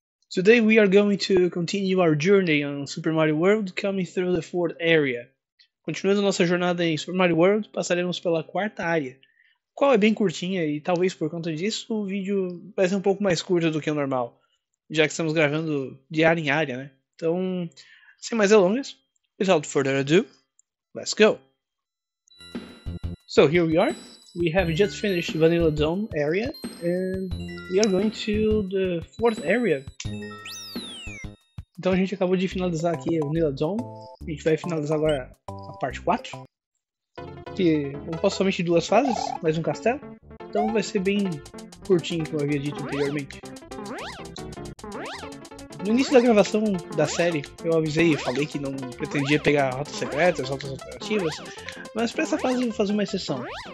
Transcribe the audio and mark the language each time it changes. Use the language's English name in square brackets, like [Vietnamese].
[English] Today we are going to continue our journey on Super Mario World, coming through the fourth area. [Portuguese] Continuando nossa jornada em Super Mario World, passaremos pela quarta área, qual é bem curtinha e talvez por conta disso o vídeo vai ser um pouco mais curto do que o normal, já que estamos gravando de área em área, né? Então, sem mais delongas, [English] without further ado, let's go! So here we are. We have just finished Vanilla Dome area, and we are going to the fourth area. [Portuguese] Então a gente acabou de finalizar aqui a Vanilla Dome. A gente vai finalizar agora a parte 4, que não posso somente duas fases, mais um castelo. Então vai ser bem curtinho, como eu havia dito anteriormente. No início da gravação da série, eu avisei e falei que não pretendia pegar rotas secretas, rotas alternativas, mas para essa fase eu vou fazer uma exceção.